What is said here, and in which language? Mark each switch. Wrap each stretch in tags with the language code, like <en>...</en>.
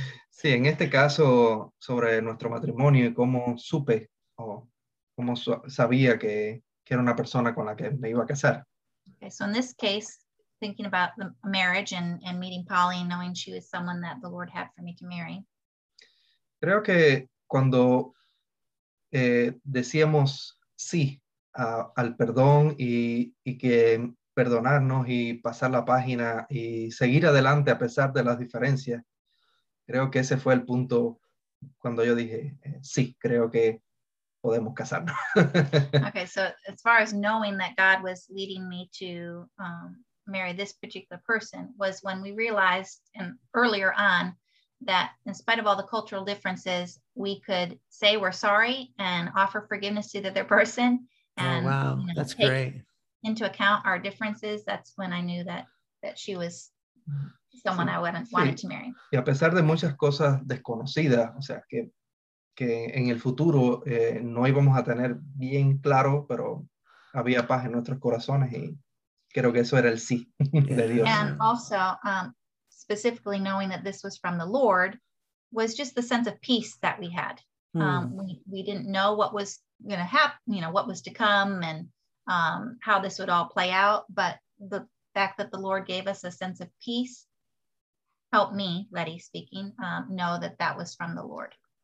<es>Sí, en este caso, sobre nuestro matrimonio y cómo supe o cómo sabía que era una persona con la que me iba a casar.</es> <en>Okay, so in this case, thinking about the marriage and meeting Polly and knowing she was someone that the Lord had for me to marry.</en> <es>Creo que cuando decíamos sí al perdón y que perdonarnos y pasar la página y seguir adelante a pesar de las diferencias, creo que ese fue el punto cuando yo dije sí, creo que podemos casarnos.</es> <en>Okay, so as far as knowing that God was leading me to marry this particular person was when we realized and earlier on that in spite of all the cultural differences, we could say we're sorry and offer forgiveness to the other person. And, oh, wow, you know, that's great. Into account our differences, that's when I knew that she was someone I wanted to marry.</en> <es>Y a pesar de muchas cosas desconocidas, o sea, que en el futuro no íbamos a tener bien claro, pero había paz en nuestros corazones y creo que eso era el sí de Dios.</es> <en>And also, specifically knowing that this was from the Lord, was just the sense of peace that we had. We didn't know what was going to happen, you know, what was to come and how this would all play out. But the fact that the Lord gave us a sense of peace helped me, Ledy speaking, know that that was from the Lord.</en>